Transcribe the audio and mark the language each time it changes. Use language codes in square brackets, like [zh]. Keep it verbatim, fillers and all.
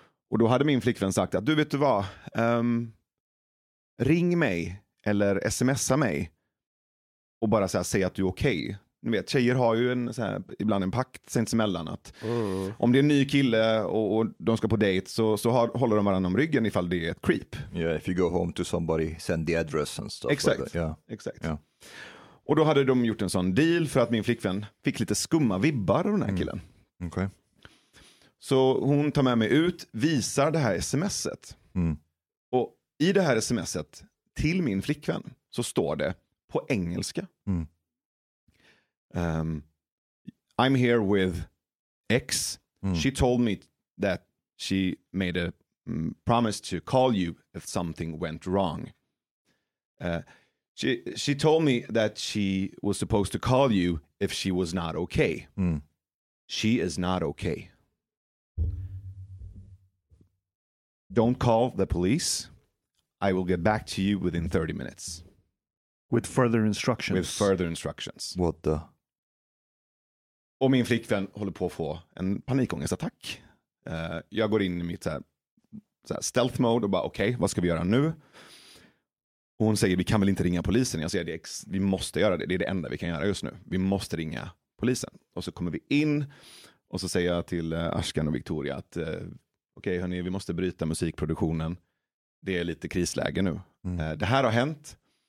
[sv] Och då hade min flickvän sagt att du vet du vad, um, ring mig eller smsa mig och bara så här, säg att du är okej. Okay. Ni vet, tjejer har ju en, så här, ibland en pakt sinsemellan att mm. om det är en ny kille och, och de ska på dejt så, så har, håller de varandra om ryggen ifall det är ett creep. [en] Yeah, if you go home to somebody, send the address and stuff. [sv] Exakt. [en] Like that. Yeah. [sv] Exakt. Yeah. Och då hade de gjort en sån deal för att min flickvän fick lite skumma vibbar av den här killen. Mm. Okay. Så hon tar med mig ut, visar det här smset. Mm. Och i det här smset till min flickvän så står det på engelska. [en] Mm. Um, I'm here with X. Mm. She told me that she made a um, promise to call you if something went wrong. Uh, she she told me that she was supposed to call you if she was not okay. Mm. She is not okay. Don't call the police. I will get back to you within thirty minutes. With further instructions. With further instructions. What the... [sv] Och min flickvän håller på att få en panikångestattack. Uh, jag går in i mitt så här, så här stealth mode och bara okej, okay, vad ska vi göra nu? Och hon säger vi kan väl inte ringa polisen. Jag säger det ex- vi måste göra det. Det är det enda vi kan göra just nu. Vi måste ringa polisen. Och så kommer vi in och så säger jag till uh, Ashkan och Victoria att uh, okej okay, hörni, vi måste bryta musikproduktionen. Det är lite krisläge nu. Mm. Uh, det här har hänt.